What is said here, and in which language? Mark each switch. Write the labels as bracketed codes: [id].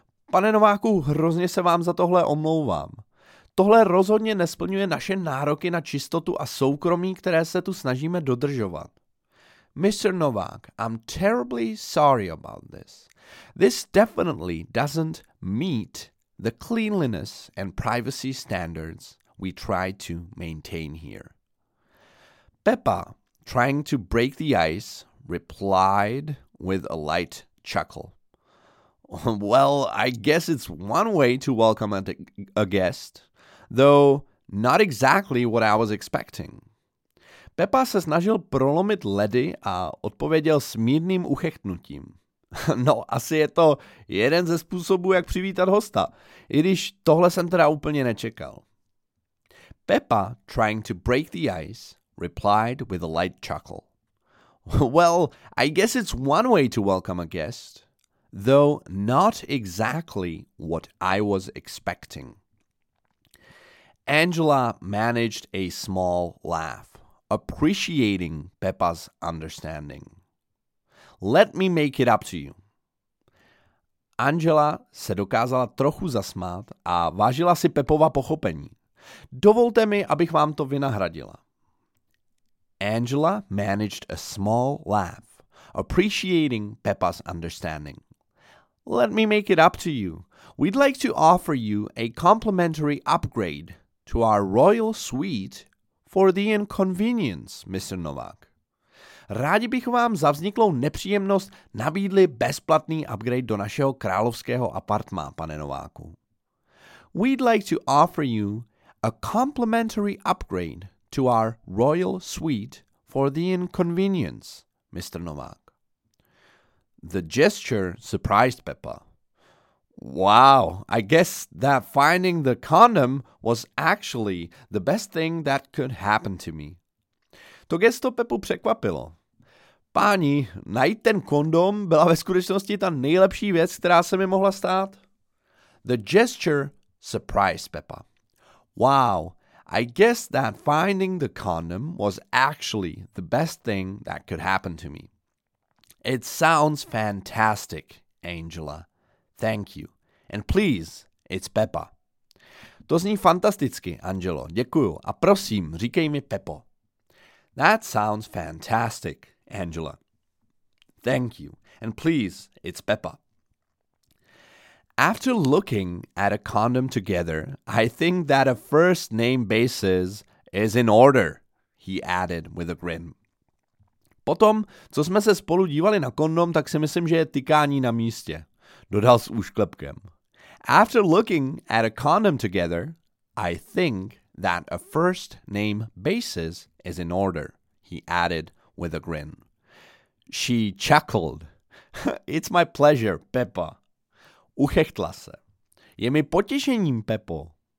[cs] Pane Nováku, hrozně se vám za tohle omlouvám. Tohle rozhodně nesplňuje naše nároky na čistotu a soukromí, které se tu snažíme dodržovat. [en] Mr. Novák, I'm terribly sorry about this. This definitely doesn't meet the cleanliness and privacy standards we try to maintain here. Pepa, trying to break the ice, replied with a light chuckle. Well, I guess it's one way to welcome a guest, though not exactly what I was expecting. [cs] Pepa se snažil prolomit ledy a odpověděl smírným uchechtnutím. No, asi je to jeden ze způsobů, jak přivítat hosta, i když tohle jsem teda úplně nečekal. [en] Pepa, trying to break the ice, replied with a light chuckle. Well, I guess it's one way to welcome a guest, though not exactly what I was expecting. Angela managed a small laugh, appreciating Pepa's understanding. Let me make it up to you. [cs] Angela se dokázala trochu zasmát a vážila si Pepova pochopení. Dovolte mi, abych vám to vynahradila. [en] Angela managed a small laugh, appreciating Pepa's understanding. Let me make it up to you. We'd like to offer you a complimentary upgrade to our royal suite for the inconvenience, Mr. Novák. [cs] Rádi bych vám za vzniklou nepříjemnost nabídli bezplatný upgrade do našeho královského apartma, pane Nováku. [en] We'd like to offer you a complimentary upgrade to our royal suite for the inconvenience, Mr. Novák. The gesture surprised Pepa. Wow, I guess that finding the condom was actually the best thing that could happen to me. [cs] To gesto Pepu překvapilo. Páni, najít ten kondom byla ve skutečnosti ta nejlepší věc, která se mi mohla stát. [en] The gesture surprised Pepa. Wow, I guess that finding the condom was actually the best thing that could happen to me. It sounds fantastic, Angela. Thank you. And please, it's Pepa. [cs] To zní fantasticky, Angelo. Děkuju. A prosím, říkej mi Pepo. [en] That sounds fantastic, Angela. Thank you. And please, it's Pepa. After looking at a condom together, I think that a first name basis is in order, he added with a grin. [cs] Potom, co jsme se spolu dívali na kondom, tak si myslím, že je tykání na místě, dodal s úšklepkem. [en] After looking at a condom together, I think that a first name basis is in order, he added with a grin. She chuckled. It's my pleasure, Pepa. [cs] Uchechtla se. Je mi potěšením, Pepo.